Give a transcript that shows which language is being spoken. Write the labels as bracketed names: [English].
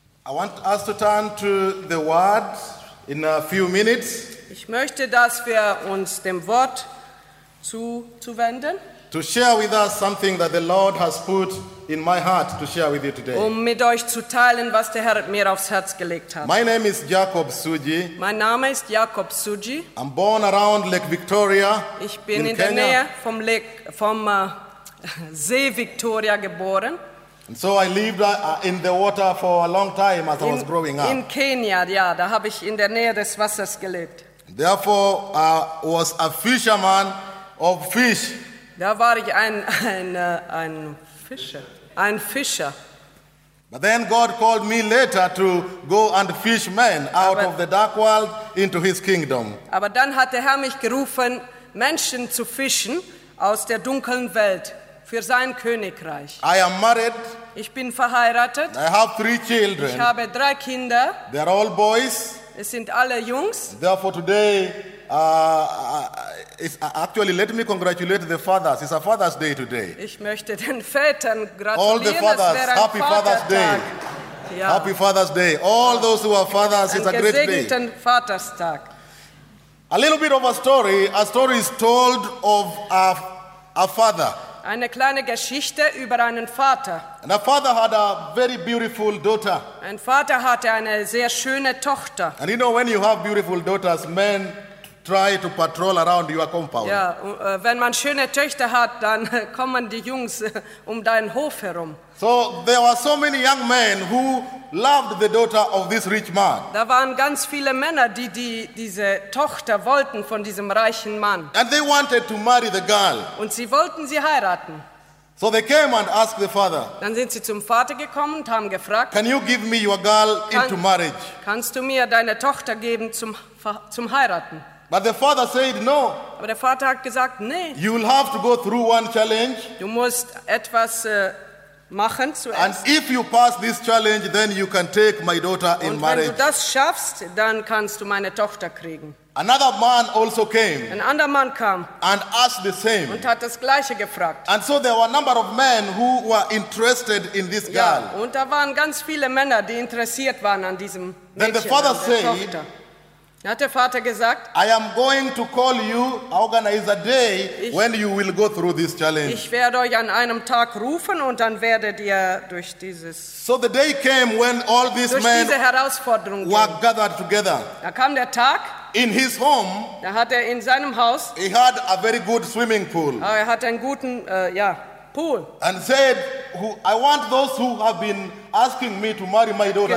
[English] want us to turn to the Word in a few minutes. [German] Ich möchte, dass wir uns dem Wort zuwenden. [English] To share with us something that the Lord has put in my heart to share with you today. [German] Um mit euch zu teilen, was der Herr mir aufs Herz gelegt hat. [English] My name is Jacob Suji. [German] Mein Name ist Jacob Suji. [English] I'm born around Lake Victoria. [German] Ich bin in der Nähe vom See Victoria geboren. [English] And so I lived in the water for a long time as I was growing up. [German] In Kenia, ja, da habe ich in der Nähe des Wassers gelebt. [English] Therefore, I was a fisherman of fish. [German] Da war ich ein Fischer, ein Fischer. [English] But then God called me later to go and fish men out of the dark world into His kingdom. [German] Aber dann hat der Herr mich gerufen, Menschen zu fischen aus der dunklen Welt. Für sein Königreich. [English] I am married. [German] Ich bin verheiratet. [English] I have three children. [German] Ich habe drei Kinder. [English] They are all boys. [German] Es sind alle Jungs. [English] Therefore today, actually let me congratulate the fathers. It's a Father's Day today. [German] Ich möchte den Vätern gratulieren. [English] All the fathers, happy Father's Day. [German] Ja. [English] Happy Father's Day. All those who are fathers, [German] ein [English] it's a great day. [German] Gesegneten Vaterstag. [English] A little bit of a story. A story is told of a father. [German] Eine kleine Geschichte über einen Vater. [English] And a father had a very beautiful daughter. [German] Ein Vater hatte eine sehr schöne Tochter. [English] And you know, when you have beautiful daughters, men try to patrol around your compound. [German] Ja, wenn man schöne Töchter hat, dann kommen die Jungs um deinen Hof herum. [English] So there were so many young men who loved the daughter of this rich man. [German] Da waren ganz viele Männer, die diese Tochter wollten von diesem reichen Mann. [English] And they wanted to marry the girl. [German] Und sie wollten sie heiraten. [English] So they came and asked the father. [German] Dann sind sie zum Vater gekommen und haben gefragt. [English] Can you give me your girl into marriage? [German] Kannst du mir deine Tochter geben zum heiraten? [English] But the father said no. [German] Aber der Vater hat gesagt, nee. [English] You will have to go through one challenge. [German] Du musst etwas machen zuerst. [English] And if you pass this challenge, then you can take my daughter [German] Und [English] in marriage. [German] Wenn du das schaffst, dann kannst du meine Tochter kriegen. [English] Another man also came. [German] Ein anderer Mann kam. [English] And asked the same. [German] Und hat das gleiche gefragt. [English] And so there were a number of men who were interested in this girl. [German] Ja, und da waren ganz viele Männer, die interessiert waren an diesem Mädchen. [English] Then the father said, [German] hat der Vater gesagt, [English] I am going to call you, organize a day when you will go through this challenge. [German] Ich werde euch an einem Tag rufen und dann werdet ihr durch dieses. [English] So the day came when all these men were gathered together. [German] Da kam der Tag. [English] In his home, [German] da hat er in seinem Haus. [English] He had a very good swimming pool. [German] Er hat einen guten, Pool. [English] And said, I want those who have been asking me to marry my daughter